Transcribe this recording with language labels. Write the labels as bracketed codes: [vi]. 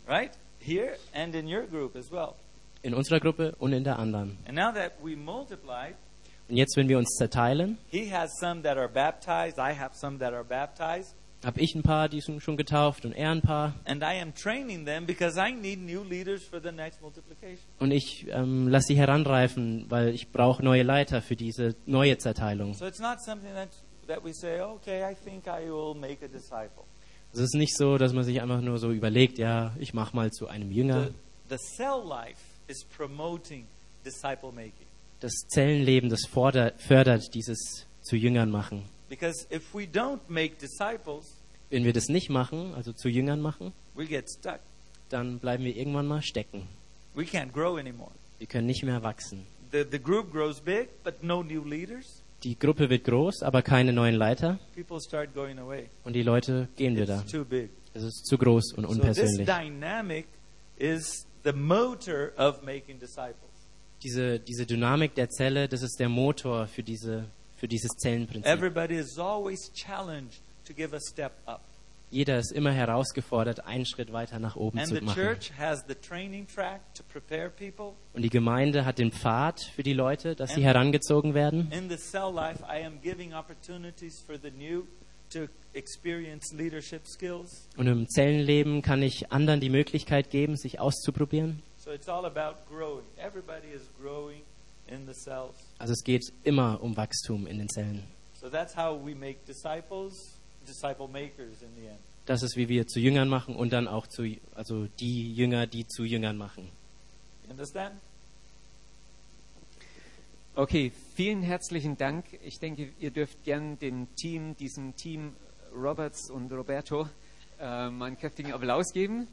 [en] Right? Here and in your group as well. [de] In unserer Gruppe und in der anderen. [en] And now that we multiplied, [de] Und jetzt, wenn wir uns zerteilen, [en] he has some that are baptized, I have some that are baptized. [de] Habe ich ein paar, die sind schon getauft, und er ein paar. [en] And I am training them because I need new leaders for the next multiplication. [de] Und ich lasse sie heranreifen, weil ich brauche neue Leiter für diese neue Zerteilung. [en] So it's not something that we say, okay, I think I will make a disciple. [de] Es ist nicht so, dass man sich einfach nur so überlegt, ja, ich mache mal zu einem Jünger. [en] The cell life is promoting disciple making. [de] Das Zellenleben, das fördert dieses zu Jüngern machen. [en] Because if we don't make disciples, [de] wenn wir das nicht machen, also zu Jüngern machen, [en] we get stuck. [de] Dann bleiben wir irgendwann mal stecken. [en] We can't grow anymore. [de] Wir können nicht mehr wachsen. [en] The group grows big, but no new leaders. [de] Die Gruppe wird groß, aber keine neuen Leiter. [en] People start going away. [de] Und die Leute gehen wieder. [en] It's too big. [de] Es ist zu groß und unpersönlich. [en] So this dynamic is the motor of making disciples. [de] Diese Dynamik der Zelle, das ist der Motor für dieses Zellenprinzip. [en] Everybody is always challenged to give a step up. [de] Jeder ist immer herausgefordert, einen Schritt weiter nach oben [en] and [de] zu machen. [en] The church has the training track to prepare people. [de] Und die Gemeinde hat den Pfad für die Leute, dass and sie herangezogen werden. [en] In the cell life, I am giving opportunities for the new to experience leadership skills. [de] Und im Zellenleben kann ich anderen die Möglichkeit geben, sich auszuprobieren. [en] So it's all about growing. Everybody is growing in the cells. [de] Also es geht immer um Wachstum in den Zellen. [en] So that's how we make disciples, disciple makers in the end. [de] Das ist, wie wir zu Jüngern machen und dann auch die Jünger, die zu Jüngern machen. [en] You understand? [de] Okay, vielen herzlichen Dank. Ich denke, ihr dürft gern dem Team, diesem Team Roberts und Roberto, mal einen kräftigen Applaus geben.